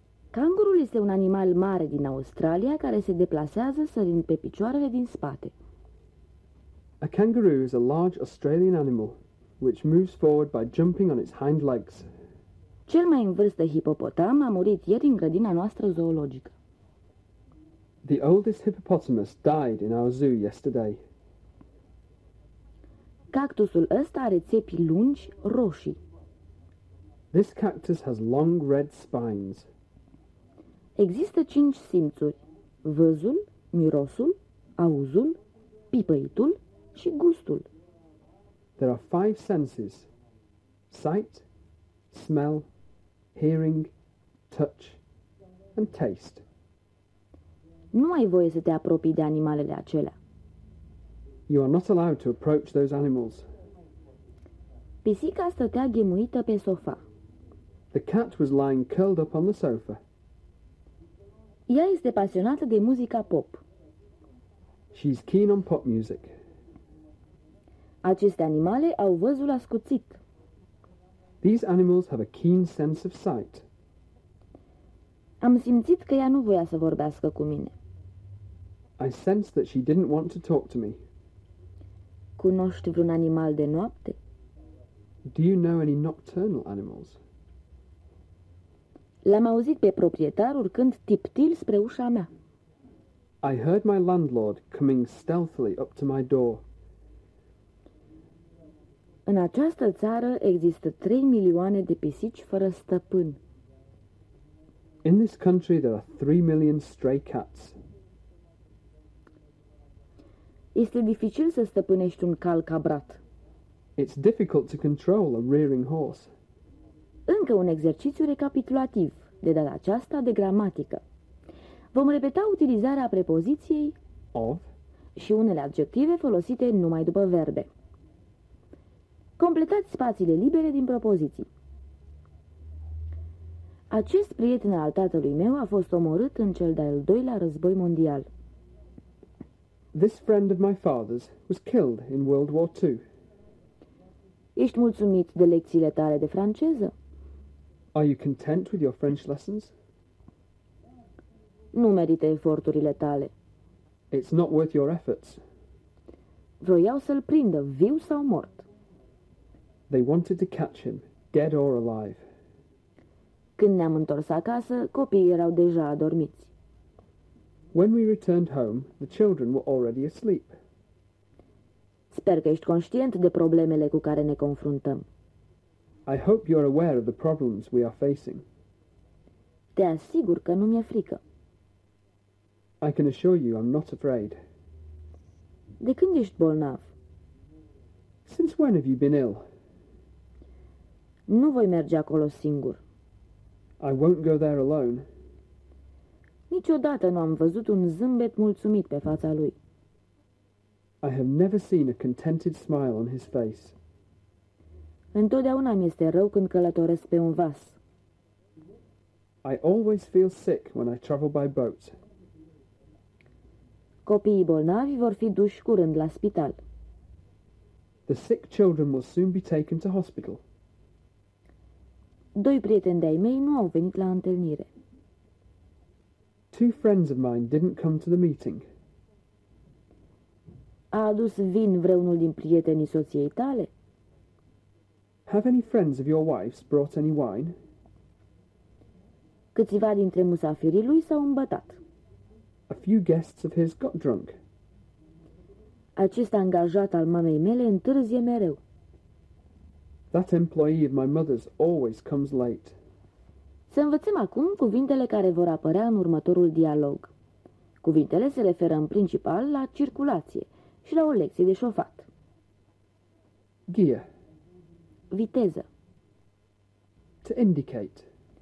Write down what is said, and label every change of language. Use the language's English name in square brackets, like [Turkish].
[Romanian] Kangurul este un animal mare din Australia care se deplasează sărind pe picioarele din spate. [English] A kangaroo is a large Australian animal which moves forward by jumping on its hind legs. [Romanian] Cel mai în vârstă hipopotam a murit ieri în grădina noastră zoologică. [English] The oldest hippopotamus died in our zoo yesterday. [Romanian] Cactusul ăsta are țepi lungi roșii. [English] This cactus has long red spines. [Romanian] Există cinci simțuri: văzul, mirosul, auzul, pipăitul și gustul. [English] There are five senses: sight, smell, hearing, touch and taste. [Romanian] Nu ai voie să te apropii de animalele acelea. [English] You are not allowed to approach those animals. [Romanian] Pisica stătea ghemuită pe sofa. [English] The cat was lying curled up on the sofa. [Romanian] Ea este pasionată de muzica pop. [English] She's keen on pop music. [Romanian] Aceste animale au văzul ascuțit. [English] These animals have a keen sense of sight. [Romanian] Am simțit că ea nu voia să vorbească cu mine. [English] I sensed that she didn't want to talk to me. [Romanian] Cunoști vreun animal de noapte? [English] Do you know any nocturnal animals? [Romanian] L-am auzit pe proprietar urcând tiptil spre ușa mea. [English] I heard my landlord coming stealthily up to my door. [Romanian] În această țară există 3 milioane de pisici fără stăpân. [English] In this country there are 3 million stray cats. [Romanian] Este dificil să stăpânești un cal cabrat. [English] It's difficult to control a rearing horse. [Romanian] Încă un exercițiu recapitulativ, de data aceasta de gramatică. Vom repeta utilizarea prepoziției [English] of [Romanian] și unele adjective folosite numai după verbe. Completați spațiile libere din propoziții. Acest prieten al tatălui meu a fost omorât în cel de-al doilea război mondial. [English] This friend of my father's was killed in World War II. [Romanian] Ești mulțumit de lecțiile tale de franceză? [English] Are you content with your French lessons? [Romanian] Nu merită eforturile tale. [English] It's not worth your efforts. [Romanian] Vroiau să-l prindă, viu sau mort. [English] They wanted to catch him, dead or alive. [Romanian] Când ne-am întors acasă, copiii erau deja adormiți. [English] When we returned home, the children were already asleep. [Romanian] Sper că ești conștient de problemele cu care ne confruntăm. [English] I hope you're aware of the problems we are facing. [Romanian] Te asigur că nu mi-e frică. [English] I can assure you I'm not afraid. [Romanian] De când ești bolnav? [English] Since when have you been ill? [Romanian] Nu voi merge acolo singur. [English] I won't go there alone. [Romanian] Niciodată nu am văzut un zâmbet mulțumit pe fața lui. [English] I have never seen a contented smile on his face. [Romanian] Întotdeauna mi este rău când călătoresc pe un vas. [English] I always feel sick when I travel by boat. [Romanian] Copiii bolnavi vor fi duși curând la spital. [English] The sick children will soon be taken to hospital. [Romanian] Doi prieteni de-ai mei nu au venit la întâlnire. [English] Two friends of mine didn't come to the meeting. [Romanian] A adus vin vreunul din prietenii soției tale? [English] Have any friends of your wife's brought any wine? [Romanian] Câțiva dintre musafirii lui s-au îmbătat. [English] A few guests of his got drunk. [Romanian] Acest angajat al mamei mele întârzie mereu. [English] That employee of my mother's always comes late. [Romanian] Să învățăm acum cuvintele care vor apărea în următorul dialog. Cuvintele se referă în principal la circulație și la o lecție de șofat. [English] Gear. [Romanian] Viteză. [English] To indicate.